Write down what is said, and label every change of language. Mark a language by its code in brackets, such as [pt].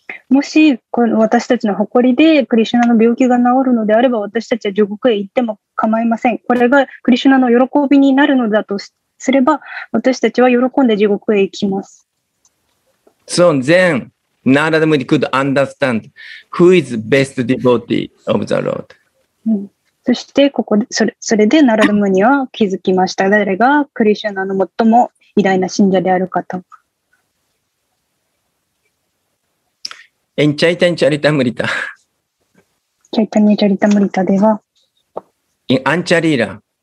[ja] もしこの私たちの誇りでクリシュナの病気が治るのであれば私たちは地獄へ行っても構いません。これがクリシュナの喜びになるのだとすれば私たちは喜んで地獄へ行きます。 [en] So then Narada Muni could understand who is the best devotee of the Lord.、 [ja] うん、そしてここでそれで Narada Muni は気づきました。誰がクリシュナの最も偉大な信者であるかと。 [en] In Chaitanya Charitamrita. [ja] Chaitanya Charitamrita では [en] In Ancharira.